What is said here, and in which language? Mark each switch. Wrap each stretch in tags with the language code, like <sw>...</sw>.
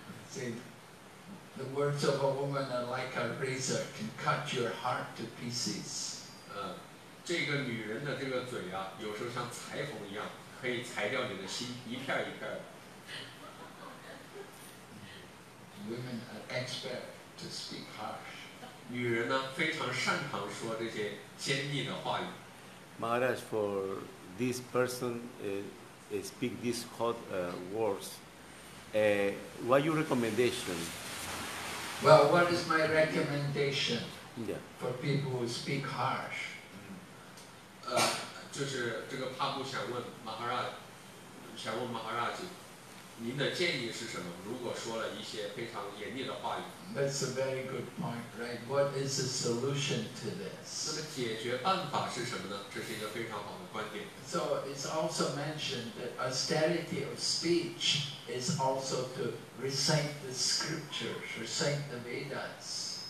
<en>See, the words of a woman are like a razor, can cut your heart to pieces.</en> <zh>这个女人的这个嘴啊, 有时候像裁缝一样, 可以裁掉你的心, 一片一片的。</zh> <en>Women are expert to speak harsh.</en> <zh>女人呢, 非常擅长说这些尖利的话语。</zh> <en>Maharaj, for this person speak these hot words, what are your recommendation? Well, what is my recommendation yeah. for people who speak harsh?</en> <zh>就是这个帕布想问马哈拉吉，您的建议是什么？如果说了一些非常严厉的话语。</zh> <en>That's a very good point, right? What is the solution to this?</en> <zh>那么解决办法是什么呢？这是一个非常好的观点。</zh> <en>So it's also mentioned that austerity of speech is also to recite the scriptures, recite the Vedas.</en>